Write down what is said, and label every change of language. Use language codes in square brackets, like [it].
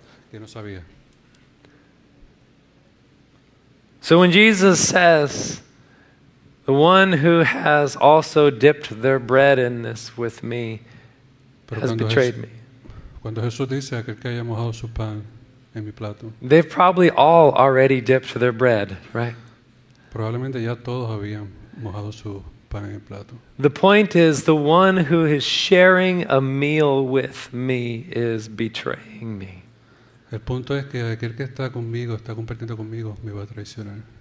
[es] Que no sabía. [en] So when Jesus says, the one who has also dipped their bread in this with me has betrayed me. [es] Cuando Jesús dice aquel que haya mojado su pan en mi plato. [en] They've probably all already dipped their bread, right? [es] Probablemente ya todos habían mojado su pan en el plato. [en] The point is, the one who is sharing a meal with me is betraying me. [es] El punto es que aquel que está conmigo, está compartiendo conmigo, me va a traicionar.